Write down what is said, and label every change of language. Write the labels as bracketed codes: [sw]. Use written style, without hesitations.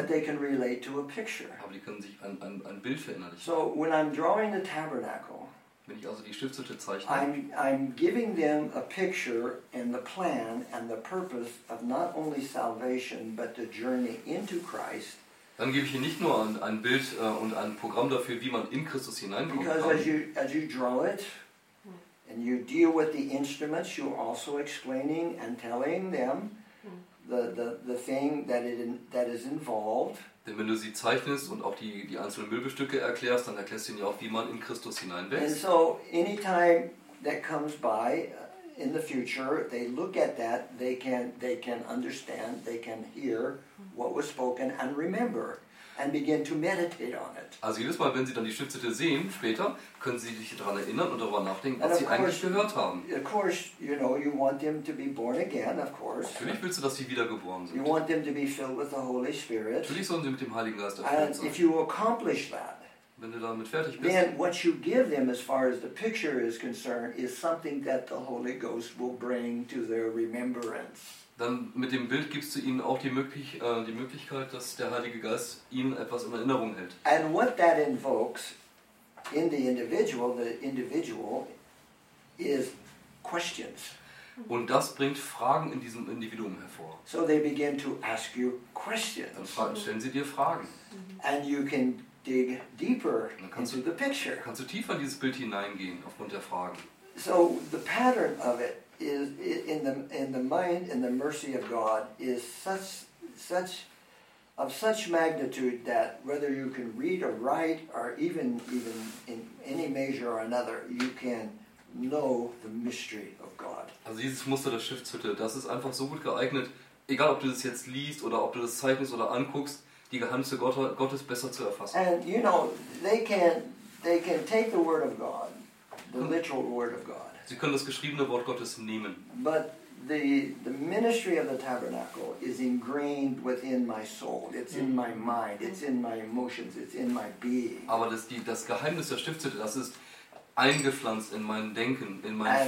[en] but they can relate to a picture. [de] Aber die können sich an Bild verinnerlichen. [en] So when I'm drawing the tabernacle, [de] wenn ich also die Stiftshütte zeichne, [en] I'm giving them a picture and the plan and the purpose of not only salvation but the journey into Christ [de] Dann gebe ich Ihnen nicht nur ein Bild und ein Programm dafür, wie man in Christus hineinkommen kann. [en] Because as you draw it and you deal with the instruments, you're also explaining and telling them the thing that is involved. [de] Denn wenn du sie zeichnest und auch die einzelnen Möbelstücke erklärst, dann erklärst du ihnen ja auch, wie man in Christus hineinwächst. [en] And so any time that comes by in the future, they look at that, they can understand, they can hear what was spoken and remember and begin to meditate on it. [de] Also jedes Mal, wenn sie dann die Schriftstücke sehen, später, können sie sich daran erinnern und darüber nachdenken, was sie eigentlich gehört haben. [en] Of course, you know, you want them to be born again, of course. [de] Natürlich willst du, dass sie wiedergeboren sind. [en] You want them to be filled with the Holy Spirit. [de] Natürlich sollen sie mit dem Heiligen Geist erfüllt sein. [en] And if you accomplish that, [de] wenn du damit fertig bist, [en] then what you give them as far as the picture is concerned is something that the Holy Ghost will bring to their remembrance. [de] Dann mit dem Bild gibst du ihnen auch die Möglichkeit, dass der Heilige Geist ihnen etwas in Erinnerung hält. [en] And what that invokes in the individual is questions. [de] Und das bringt Fragen in diesem Individuum hervor. [en] So they begin to ask you questions. [de] Dann stellen sie dir Fragen. [en] And you can dig deeper into the picture. [de] Kannst du tiefer in dieses Bild hineingehen aufgrund der Fragen? [en] So the pattern of it is in the mind and the mercy of God is such magnitude that whether you can read or write or even in any measure or another, you can know the mystery of God. [de] Also dieses Muster der Schiffshütte, das ist einfach so gut geeignet, egal ob du das jetzt liest oder ob du das zeichnest oder anguckst, die Geheimnisse Gottes besser zu erfassen. [en] And you know, they can take the word of God, the literal word of God. [de] Sie können das geschriebene Wort Gottes nehmen. [en] But the ministry of the tabernacle is ingrained within my soul. It's in my mind. It's in my emotions. It's in my being. [de] Aber das Geheimnis der Stiftshütte, das ist eingepflanzt in mein Denken, in mein